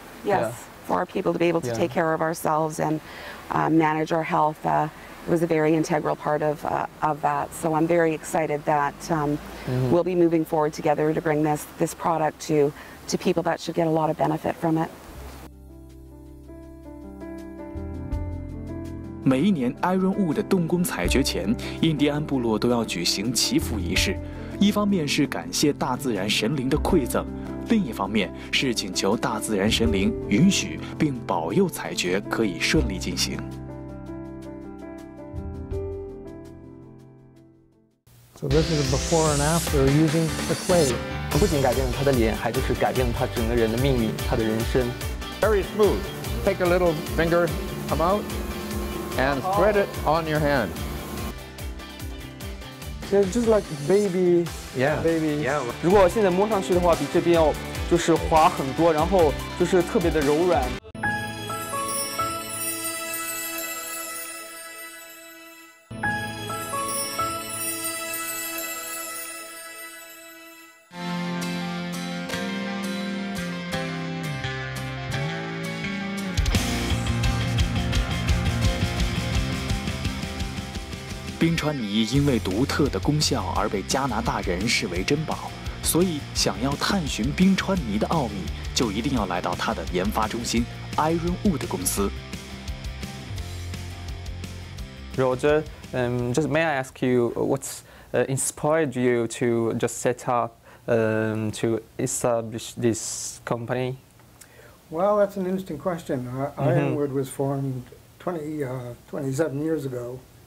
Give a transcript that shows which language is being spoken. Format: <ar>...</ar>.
<en>Yes, for our people to be able to take care of ourselves and manage our health. It was a very integral part of that. So I'm very excited that we'll be moving forward together to bring this product to people that should get a lot of benefit from it.</en> <zh>每一年 Ironwood 的动工采掘前，印第安部落都要举行祈福仪式，一方面是感谢大自然神灵的馈赠，另一方面是请求大自然神灵允许并保佑采掘可以顺利进行。</zh> <en>So this is a before and after using the clay.</en> <zh>不仅改变了他的脸，还就是改变了他整个人的命运，他的人生。</zh> <en>Very smooth. Take a little finger, come out, and spread it on your hand. It's just like baby. Yeah. Baby. Yeah.</en> <zh>如果现在摸上去的话，比这边要就是滑很多，然后就是特别的柔软。冰川泥因为独特的功效而被加拿大人视为珍宝，所以想要探寻冰川泥的奥秘，就一定要来到它的研发中心 Ironwood 公司。</zh> <en>Roger, just may I ask you what's inspired you to just set up to establish this company? Well, that's an interesting question. Ironwood was formed 27 years ago.</en>